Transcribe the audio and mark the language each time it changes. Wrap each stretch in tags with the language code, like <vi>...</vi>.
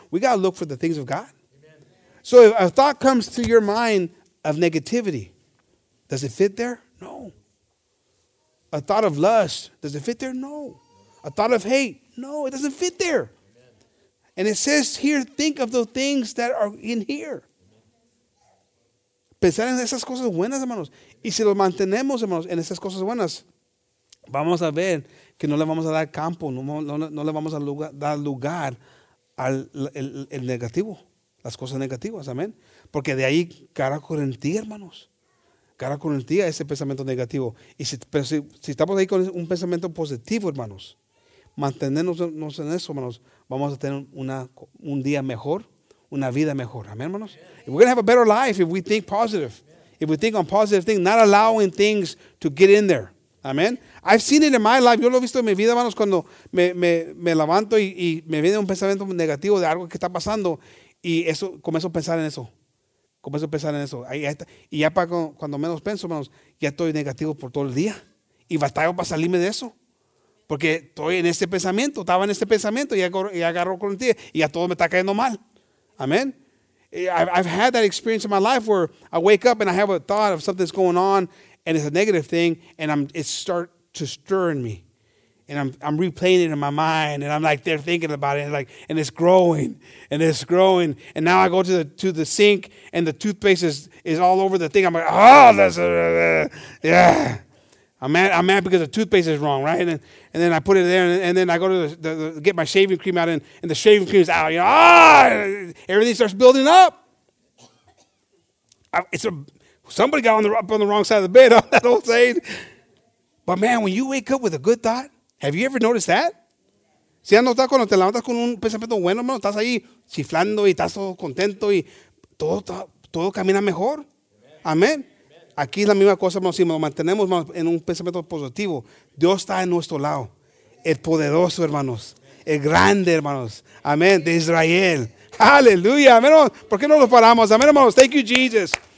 <en>We got to look for the things of God. Amen. So if a thought comes to your mind of negativity, does it fit there? No. A thought of lust, does it fit there? No. A thought of hate, no, it doesn't fit there. Amen. And it says here, think of the things that are in here.</en> <es>Pensar en esas cosas buenas, hermanos. Y si lo mantenemos, hermanos, en esas cosas buenas, vamos a ver que no le vamos a dar campo, no le vamos a dar lugar al el negativo, las cosas negativas, amén. Porque de ahí cara con ti, hermanos. Cara con ti a ese pensamiento negativo. Y si, pero si estamos ahí con un pensamiento positivo, hermanos, mantenernos en eso, hermanos, vamos a tener un día mejor, una vida mejor. Amén, hermanos. Yeah.</es> <en>We're going to have a better life if we think positive. Yeah. If we think on positive things, not allowing things to get in there. Amén. I've seen it in my life.</en> <es>Yo lo he visto en mi vida, hermanos, cuando me levanto y me viene un pensamiento negativo de algo que está pasando. Y eso, comienzo a pensar en eso. Comienzo a pensar en eso. Y ya para cuando menos pienso, hermanos, ya estoy negativo por todo el día. Y batallo para salirme de eso. Porque estoy en este pensamiento, estaba en este pensamiento y agarró con ti y a todo me está cayendo mal. Amen.</es> <en>I've had that experience in my life where I wake up and I have a thought of something that's going on and it's a negative thing and it start to stir in me. And I'm replaying it in my mind and I'm like there thinking about it and it's growing and it's growing. And now I go to the sink and the toothpaste is all over the thing. I'm like, oh, that's yeah. I'm mad because the toothpaste is wrong, right? And then I put it there, and then I go to the get my shaving cream out, and the shaving cream is out. You know, everything starts building up. Somebody got up on the wrong side of the bed, that old saying. But man, when you wake up with a good thought, have you ever noticed that?</en> <es>Si has notado cuando te levantas con un pensamiento bueno, hermano, estás ahí chiflando y estás todo contento y todo camina mejor. Amén. Aquí es la misma cosa, hermanos. Si nos mantenemos en un pensamiento positivo, Dios está en nuestro lado. El poderoso, hermanos. El grande, hermanos. Amén. De Israel. Aleluya. Amén. ¿Por qué no lo paramos? Amén, hermanos.</es> <en>Thank you, Jesus.</en>